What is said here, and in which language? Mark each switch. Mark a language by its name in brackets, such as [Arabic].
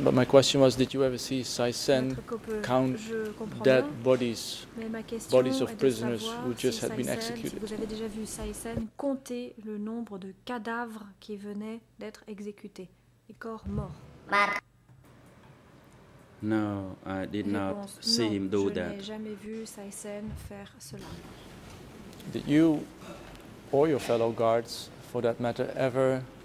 [English] But my question was, did you ever see Sai Sen count dead bodies, bodies of prisoners who just had been executed? [French] Vous avez déjà vu Sai Sen compter le nombre de cadavres qui venaient d'être exécutés, les corps morts? [English] No, I did not see him do that. [French] Je n'ai jamais vu Sai Sen faire cela. [English] Did you or your fellow guards, for that matter, ever